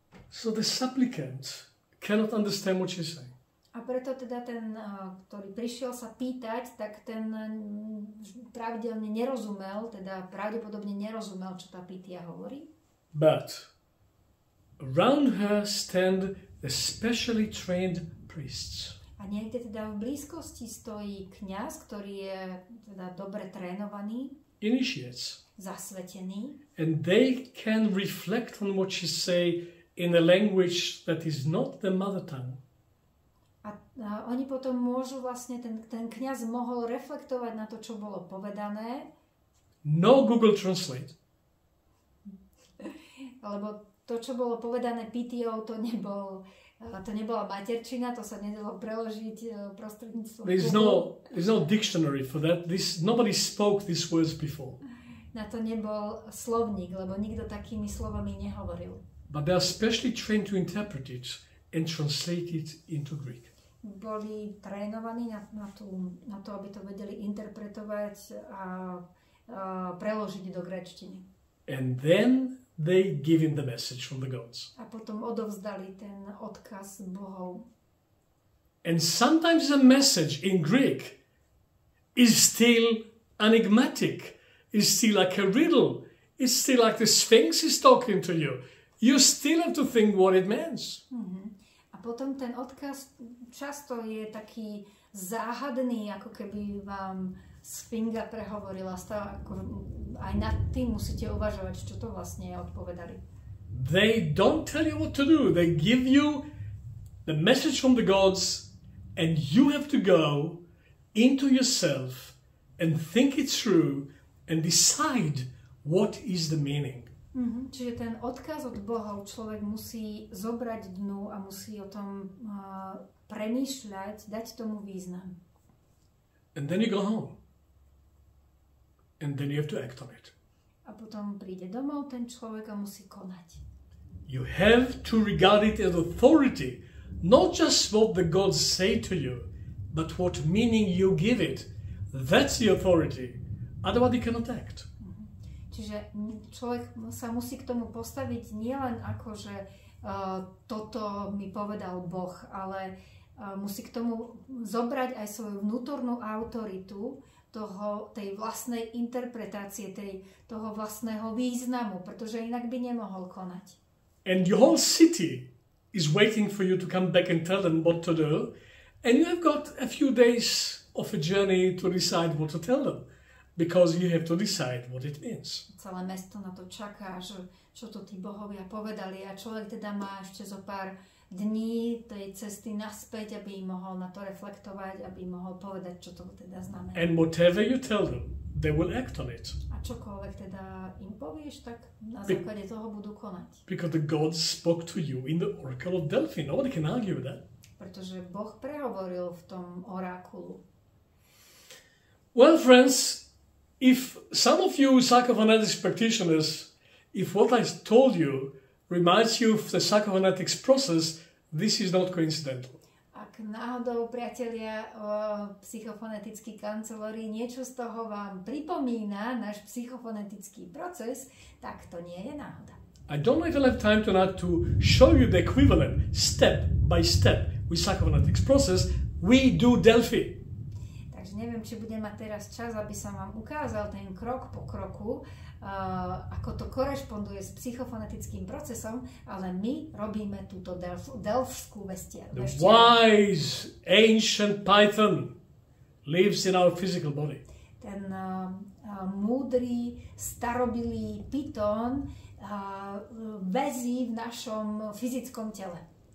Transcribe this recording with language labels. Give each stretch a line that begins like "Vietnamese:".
English: So the supplicant cannot understand what she's saying.
Slovak: A preto teda ten, ktorý prišiel sa pýtať, tak ten pravidelne nerozumel, teda pravdepodobne nerozumel, čo tá pitia hovorí.
English: But around her stand the specially trained priests.
Slovak: A niekde teda v blízkosti stojí kňaz, ktorý je teda dobre trénovaný.
English: Initiates.
Slovak: Zasvetený.
English: And they can reflect on what she say in a language that is not the mother tongue.
Slovak: A oni potom môžu vlastne, ten kňaz mohol reflektovať na to, čo bolo povedané.
English: No Google Translate.
Slovak: Lebo to, čo bolo povedané PTO, to nebola materčina, to sa nedalo preložiť prostredníctvom.
English: There's no dictionary for that. Nobody spoke these words before.
Slovak: Na to nebol slovník, lebo nikto takými slovami nehovoril.
English: But they are specially trained to interpret it and translate it into Greek.
Slovak: Boli trénovaní na to, aby to vedeli interpretovať a preložiť do gréčtiny.
English: And then they give him the message from the gods.
Slovak: A potom odovzdali ten odkaz bohov.
English: And sometimes the message in Greek is still enigmatic, is still like a riddle, is still like the Sphinx is talking to you. You still have to think what it means.
Slovak: A potom ten odkaz často je taký záhadný, ako keby vám Sfinga prehovorila. Aj nad tým musíte uvažovať, čo to vlastne odpovedali.
English: They don't tell you what to do. They give you the message from the gods and you have to go into yourself and think it through and decide what is the meaning. Mm-hmm.
Slovak: Čiže ten odkaz od Boha človek musí zobrať dnu a musí o tom premýšľať, dať tomu význam.
English: And then you go home. And then you have to act on it.
Slovak: A potom príde domov ten človek a musí konať.
English: You have to regard it as authority, not just what the gods say to you, but what meaning you give it. That's the authority. Otherwise you cannot act.
Slovak: Čiže človek sa musí k tomu postaviť nielen ako, že toto mi povedal Boh, ale musí k tomu zobrať aj svoju vnútornú autoritu toho, tej vlastnej interpretácie, toho vlastného významu, pretože inak by nemohol konať.
English: And your whole city is waiting for you to come back and tell them what to do, and you have got a few days of a journey to decide what to tell them. Because you have to decide what it means.
Slovak: Celé mesto na to čaká, že čo to tí bohovia povedali. A človek teda má ešte zo pár dní tej cesty naspäť, aby mohol na to reflektovať, aby mohol povedať, čo to teda znamená.
English: And whatever you tell them, they will act on it.
Slovak: A čokoľvek teda im povieš, tak na základe toho budú konať.
English: Because the gods spoke to you in the oracle of Delphi. Nobody can argue with that.
Slovak: Pretože Boh prehovoril v tom orákulu.
English: Well, friends, if some of you psychophonetics practitioners, if what I told you reminds you of the psychophonetics process, this is not coincidental.
Slovak: Ak náhodou, priatelia, psychofonetickí kancelári, niečo z toho vám pripomína náš psychofonetický proces, tak to nie je náhoda.
English: I don't know if I have time tonight to show you the equivalent step by step with psychophonetics process. We do Delphi.
Slovak: Neviem, či budem mať teraz čas, aby som vám ukázal ten krok po kroku, ako to korešponduje s psychofonetickým procesom, ale my robíme túto delfskú vestiaru.
English: The wise ancient python lives in our physical body.
Slovak: Ten múdry starobilý python väzí v našom fyzickom tele.